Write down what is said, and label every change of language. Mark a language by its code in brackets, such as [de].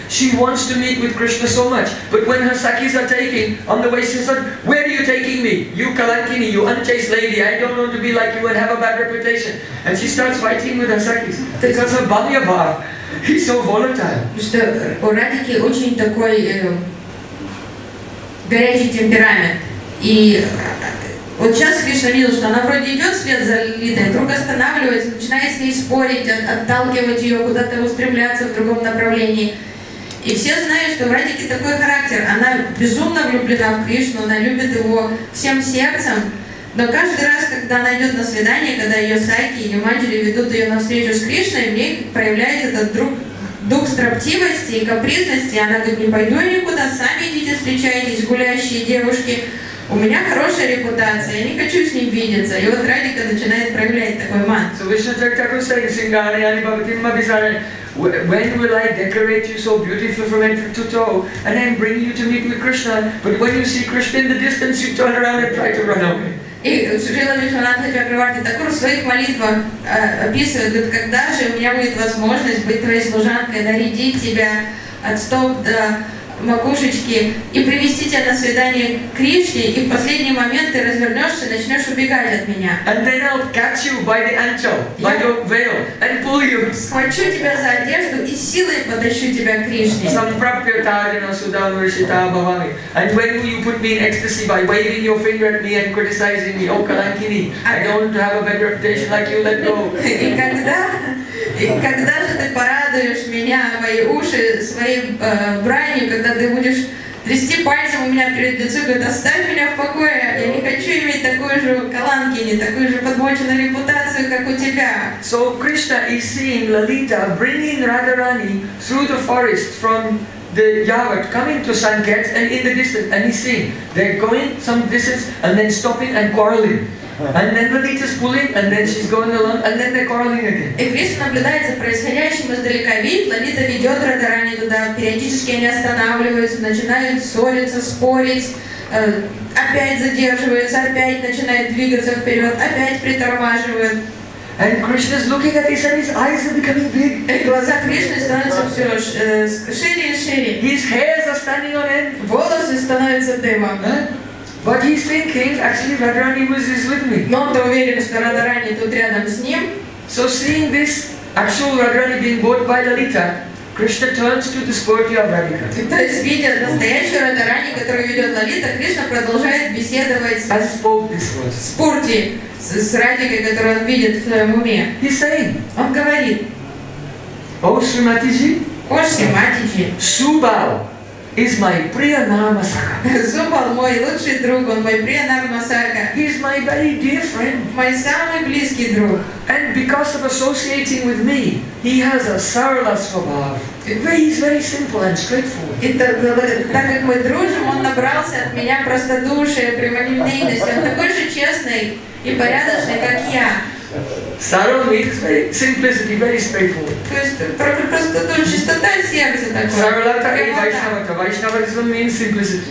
[en] She wants to meet with Krishna so much. But when her sakis are taking, on the way she said, where are you taking me? You Kalankini, you unchaste lady. I don't want to be like you and have a bad reputation. And she starts fighting with her sakis. Because her Balya Bhav, he's so volatile. [ru] У Радхики очень такой горячий темперамент. И вот сейчас Кришна видел, что она вроде идет вслед за Лалитой, вдруг останавливается, начинает с ней спорить, отталкивать ее, куда-то устремляться в другом направлении. И все знают, что в Радике такой характер. Она безумно влюблена в Кришну, она любит его всем сердцем. Но каждый раз, когда она идет на свидание, когда ее сайки и ее манджери ведут ее на встречу с Кришной, в ней проявляется этот дух строптивости и капризности. Она говорит, не пойду никуда, сами идите встречайтесь, гулящие девушки. У меня хорошая репутация, я не хочу с ним видеться. И вот Радика начинает проявлять такой ман. [en] So Vishnu Chakrabarti says, Singhani, Anibhavati, Mabhisari, when will I decorate you so beautiful from head to toe and then bring you to meet with Krishna? But when you see Krishna in the distance, you turn around and try to run away. [ru] И Шрила Вишванатха Чакрабарти Такур в своих молитвах описывает, говорит, когда же у меня будет возможность быть твоей служанкой, нарядить тебя, от стоп до макушечки и привести тебя на свидание к Кришне, и в последний момент ты развернешься и начнешь убегать от меня. [en] And then I'll catch you by the ankle, by your veil, and pull you. [ru] Схвачу тебя за одежду и силой подащу тебя к Кришне. Some prapyatarina sudamrishita bhavami. [en] And when will you put me in ecstasy by waving your finger at me and criticizing me? Oh, Kalankini, I don't have a bad reputation like you, let go. [ru] И когда... И когда же ты порадуешь меня, мои уши, своим бранью, когда ты будешь трясти пальцем у меня перед лицом, говорит, оставь меня в покое, я не хочу иметь такую же каланки, не такую же подмоченную репутацию, как у тебя. [en] So Krishna is seeing Lalita bringing Radharani through the forest from the Yavat, coming to Sanket, and in the distance, and he's seeing, they're going some distance, and then stopping and quarreling. And then Lalita's pulling, and then she's going along, and then they're quarreling again. [ru] И Кришна наблюдает за происходящим издалека, видит, Лалита ведет Радарани туда, периодически они останавливаются, начинают ссориться, спорить, опять задерживаются, опять начинают двигаться вперед, опять притормаживают. [en] And Krishna's looking at this, and his eyes are becoming big. [ru] И глаза Кришны становятся все шире и шире. [en] His hairs are standing on end. [ru] Волосы становятся дымом. [en] But he's thinking, actually, Radharani was with me. [ru] Но он-то уверен, что Радарани тут рядом с ним. [en] So seeing this actual Radharani being bought by Lalita, Krishna turns to the sporty of Radhika. [ru] То есть, видя настоящую Радарани, которую ведет Лалита, Кришна продолжает беседовать с спорти, с Радхикой, которую он видит в своем уме. [en] He's saying, [ru] он говорит, О Шриматиджи, О Шриматиджи, [en] Субал, is my Priya Namasaka. [ru] Zubal, мой лучший друг, он мой Priya Namasaka. [en] He's my very dear friend. [ru] Мой самый близкий друг. [en] And because of associating with me, he has a Sarala Swabhava. He's very simple and straightforward. [ru] Так как мы дружим, он набрался от меня простодушия, прямолинейности. Он такой же честный и порядочный, как я. [en] Sarala means very simplicity, very straightforward. [ru] То есть просто чистота сердца такое. [en] Sarala и Vaishnava. Vaishnavism means simplicity.